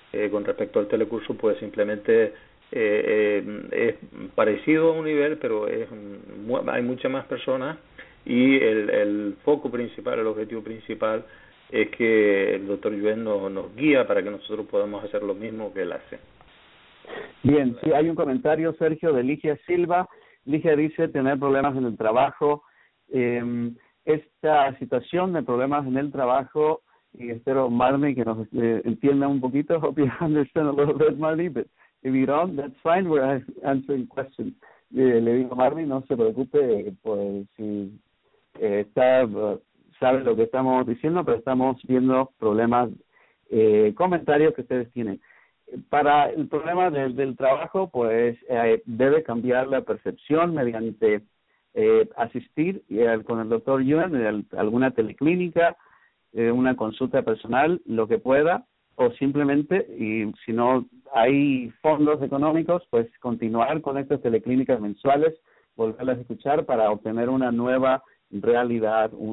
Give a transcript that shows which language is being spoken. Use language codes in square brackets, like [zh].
[es] Con respecto al telecurso, pues simplemente es parecido a un nivel, pero es hay muchas más personas, y el foco principal, el objetivo principal, es que el doctor Yuen nos guía para que nosotros podamos hacer lo mismo que él hace. Bien, sí, hay un comentario, Sergio, de Ligia Silva. Ligia dice: tener problemas en el trabajo. Esta situación de problemas en el trabajo, y espero, Marley, que nos entienda un poquito. [en] Hope you understand a little bit, Marley, but if you don't, that's fine, we're answering questions. [es] Le digo a Marley: no se preocupe, pues si está, sabe lo que estamos diciendo, pero estamos viendo problemas, comentarios que ustedes tienen. Para el problema del trabajo, pues debe cambiar la percepción mediante asistir con el doctor Yuen, alguna teleclínica, una consulta personal, lo que pueda, o simplemente, y si no hay fondos económicos, pues continuar con estas teleclínicas mensuales, volverlas a escuchar para obtener una nueva realidad,